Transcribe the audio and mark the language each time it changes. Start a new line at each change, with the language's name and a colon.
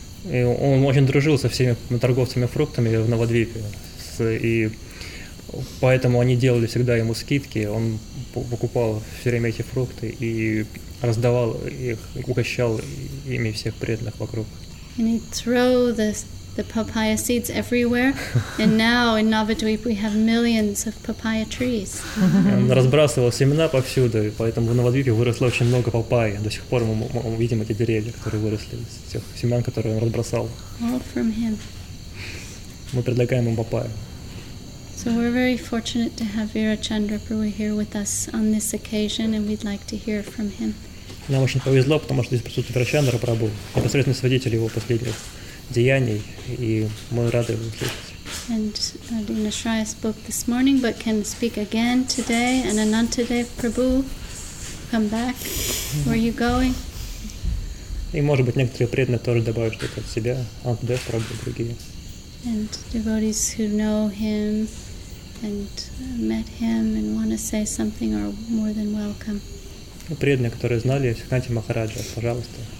Russian: И он очень дружил со всеми торговцами фруктами в Навадвипе. И поэтому они делали всегда ему скидки. Он покупал все время эти фрукты и раздавал их, угощал ими всех преданных вокруг.
English: And he'd throw the papaya seeds everywhere. And now in Navadvip we have millions of papaya trees.
Russian: Он разбрасывал семена повсюду, и поэтому в Навадвипе выросло очень много папайи. До сих пор мы видим эти деревья, которые выросли из тех семян, которые он разбросал.
English: All from him.
Russian: Мы предлагаем ему папайю.
English: So we're very fortunate to have Virachandra Prabhu here with us on this occasion, and we'd like to hear from him.
Russian: Нам очень повезло, потому что здесь присутствует Вирачандра Прабху, непосредственный свидетель его последних деяний, и мы рады его услышать.
English: And Dina Shraya spoke this morning, but can speak again today, and Anantadev Prabhu, come back, where are you going?
Russian: И, может быть, некоторые преданные тоже добавят что-то от себя, Анантадев Прабху и другие.
English: And devotees who know him and met him and want to say something are more than welcome.
Russian: Преданные, которые знали Сиддханти Махараджа, пожалуйста.